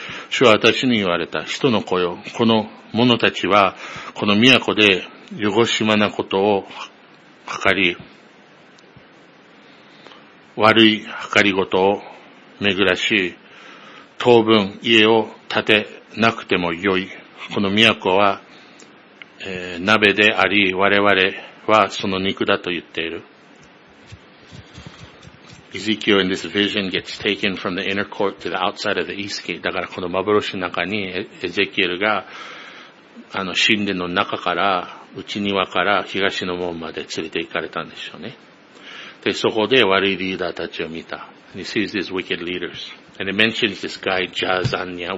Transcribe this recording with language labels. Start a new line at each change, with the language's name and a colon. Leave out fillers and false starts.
Japanese: 主は私に言われた。人の子よ。この者たちはこの都で汚しまなことを図り、悪い計りごとを巡らし、当分家を建てなくてもよい。この都は、鍋であり、我々はその肉だと言っている。
English: Ezekiel in this vision gets taken from the inner court to the outside of the east gate.
Japanese: だからこの幻の中にエゼキエルが、あの神殿の中から、内庭から東の門まで連れて行かれたんでしょうね。で、そこで悪いリーダーたちを見た。
English: And he sees these wicked leaders. And it mentions this guy, Jaazania.